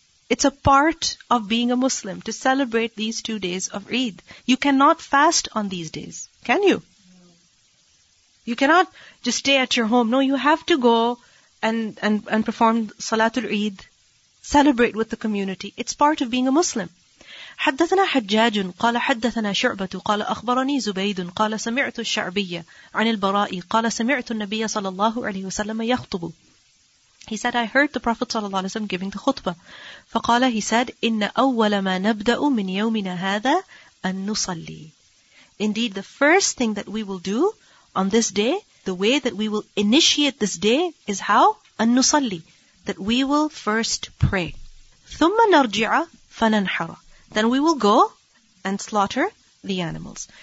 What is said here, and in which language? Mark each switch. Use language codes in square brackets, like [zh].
[en] It's a part of being a Muslim to celebrate these 2 days of Eid. You cannot fast on these days, can you? No. You cannot just stay at your home. No, you have to go and perform Salatul Eid, celebrate with the community. It's part of being a Muslim. [ar] حدثنا حجاج قال حدثنا شعبة قال أخبرني زبيد قال سمعت الشعبية عن البراء قال سمعت النبي صلى الله عليه وسلم يخطب. [en] He said, I heard the Prophet صلى الله عليه وسلم giving the khutbah. [ar] فقال, [en] he said, [ar] إن أول ما نبدأ من يومنا هذا أن نصلي. [en] Indeed, the first thing that we will do on this day, the way that we will initiate this day is how? [ar] أن نصلي. [en] That we will first pray. [ar] ثم نرجع فننحر. [en] Then we will go and slaughter the animals.